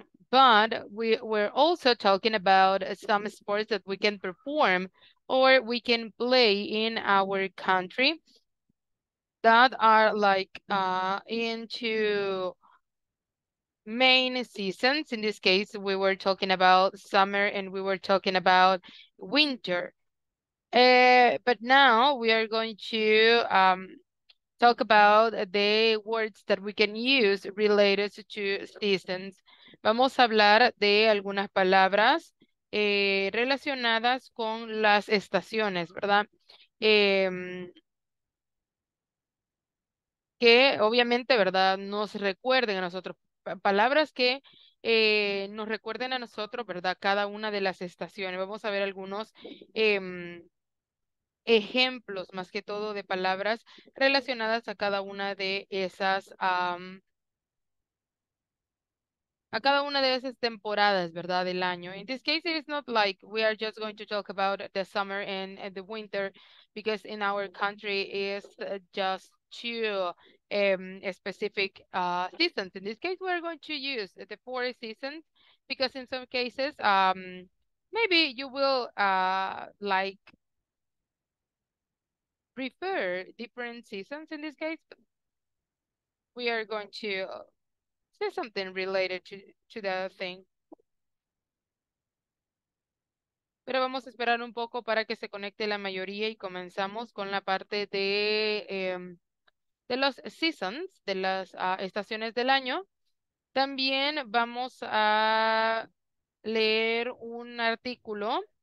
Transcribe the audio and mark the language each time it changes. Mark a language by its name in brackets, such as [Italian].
[English] But we were also talking about some sports that we can perform or we can play in our country that are like into main seasons. In this case, we were talking about summer and we were talking about winter. But now we are going to talk about the words that we can use related to seasons. [Spanish] Vamos a hablar de algunas palabras relacionadas con las estaciones, ¿verdad? Que obviamente, ¿verdad? Nos recuerden a nosotros. Palabras que nos recuerden a nosotros, ¿verdad? Cada una de las estaciones. Vamos a ver algunos ejemplos más que todo de palabras relacionadas a cada una de esas a cada una de esas temporadas, ¿verdad? Del año. [English] In this case, it is not like we are just going to talk about the summer and the winter because in our country is just two specific seasons. In this case, we are going to use the four seasons because in some cases, maybe you will like prefer different seasons in this case, but we are going to say something related to the thing. [Spanish] Pero vamos a esperar un poco para que se conecte la mayoría y comenzamos con la parte de los [English] seasons, [Spanish] de las estaciones del año. También vamos a leer un artículo.